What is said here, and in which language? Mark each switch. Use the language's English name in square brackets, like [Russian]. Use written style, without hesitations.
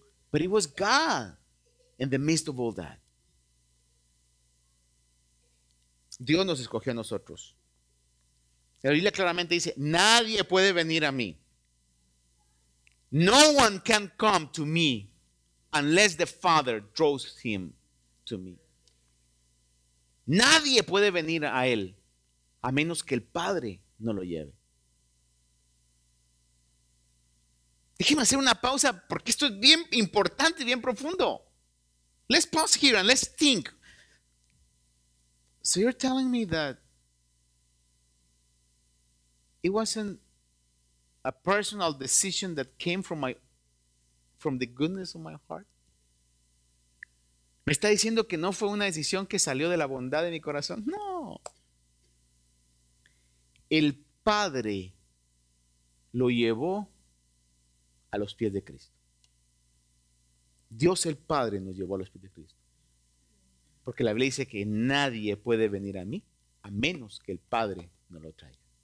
[English] But it was God in the midst of all that. [Spanish] Dios nos escogió a nosotros. La Biblia claramente dice, nadie puede venir a mí. [English] No one can come to me unless the Father draws him to me. [Spanish] Nadie puede venir a él a menos que el Padre no lo lleve. Déjeme hacer una pausa porque esto es bien importante y bien profundo. [English] Let's pause here and let's think. So you're telling me that it wasn't a personal decision that came from the goodness of my heart? [Spanish] ¿Me está diciendo que no fue una decisión que salió de la bondad de mi corazón? No. El Padre lo llevó a los pies de Cristo. Dios el Padre nos llevó a los pies de Cristo. Porque la Biblia dice que nadie puede venir a mí a menos que el Padre no lo traiga.